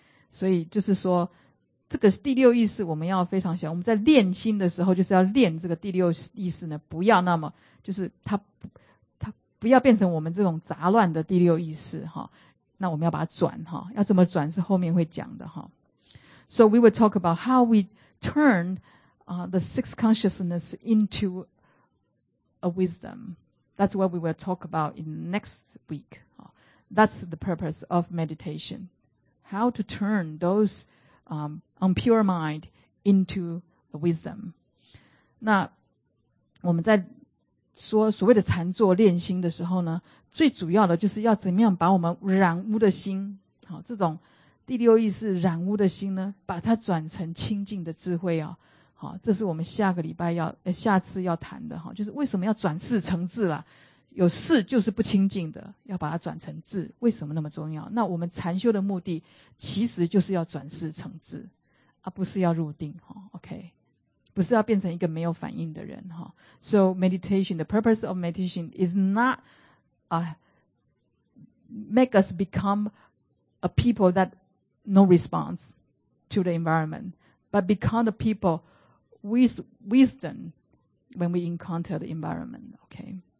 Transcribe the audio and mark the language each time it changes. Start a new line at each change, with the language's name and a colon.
Chinese: 所以就是说这个第六意识我们要非常小心，我们在练心的时候就是要练这个第六意识呢，不要那么就是它不要变成我们这种杂乱的第六意识齁。那我们要把它转齁，要怎么转是后面会讲的齁。
English: So we will talk about how we turn the sixth consciousness into a wisdom. That's what we will talk about in next week. That's the purpose of meditation. How to turn those impure mind into the wisdom.
Chinese: 那我们在说所谓的禅坐练心的时候呢，最主要的就是要怎么样把我们染污的心，好，这种第六意识染污的心呢，把它转成清净的智慧啊，好，这是我们下个礼拜要下次要谈的哈，就是为什么要转四成智啦，有四就是不清净的，要把它转成智，为什么那么重要？那我们禅修的目的其实就是要转四成智，而不是要入定哈 ，OK， 不是要变成一个没有反应的人哈。
English: So meditation, the purpose of meditation is not make us become a people thatNo response to the environment, but become the people with wisdom when we encounter the environment. Okay.